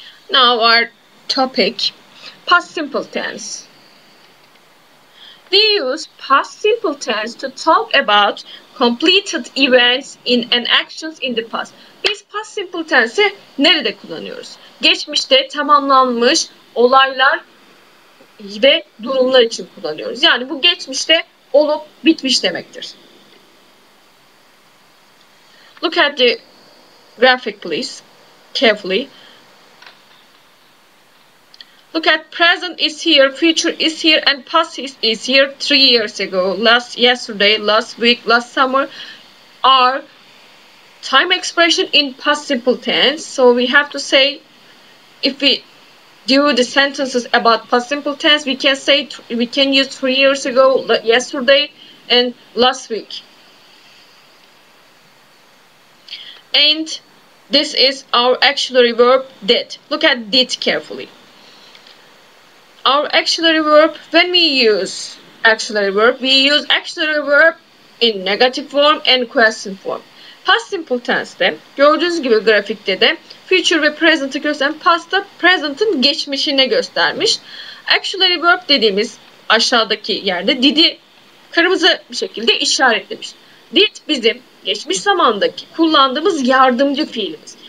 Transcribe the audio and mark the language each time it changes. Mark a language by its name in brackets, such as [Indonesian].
[English] Now our topic, past simple tense. We use past simple tense to talk about completed events in an actions in the past. [Turkish] Biz past simple tense'i nerede kullanıyoruz? Geçmişte tamamlanmış olaylar ve durumlar için kullanıyoruz. Yani bu geçmişte olup bitmiş demektir. [English] Look at the graphic, please, carefully. Look at present is here, future is here, and past is here 3 years ago. Last yesterday, last week, last summer are time expression in past simple tense. So we have to say, if we do the sentences about past simple tense, we can say, we can use 3 years ago, yesterday, and last week. And this is our auxiliary verb did. Look at did carefully. Our auxiliary verb, when we use auxiliary verb, we use auxiliary verb in negative form and question form. [Turkish] Past simple tense'de gördüğünüz gibi grafikte de future ve present'ı gösteren past'ta present'ın geçmişine göstermiş. Auxiliary verb dediğimiz aşağıdaki yerde did'i kırmızı bir şekilde işaretlemiş. Did bizim geçmiş zamandaki kullandığımız yardımcı fiilimiz.